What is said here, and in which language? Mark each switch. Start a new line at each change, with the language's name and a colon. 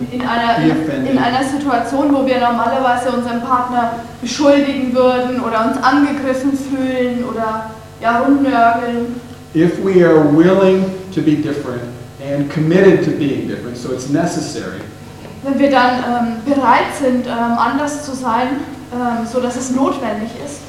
German: in einer Situation, wo wir normalerweise unseren Partner beschuldigen würden oder uns angegriffen fühlen oder ja rumnörgeln.
English: If we are willing to be different and committed to being different, so it's necessary.
German: Wenn wir dann bereit sind, anders zu sein, so dass es notwendig ist.